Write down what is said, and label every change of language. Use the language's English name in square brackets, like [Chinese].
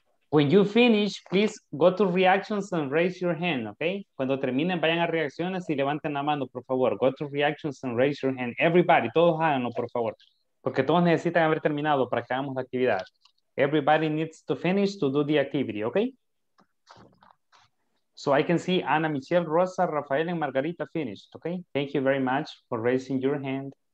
[English] When you finish, please go to reactions and raise your hand, okay? [Spanish] Cuando terminen, vayan a reacciones y levanten la mano, por favor. [English] Go to reactions and raise your hand. [Spanish] Everybody, todos háganlo, por favor. Porque todos necesitan haber terminado para que hagamos la actividad. [English] Everybody needs to finish to do the activity, okay? So I can see Ana, Michelle, Rosa, Rafael, and Margarita finished, okay? Thank you very much for raising your hand.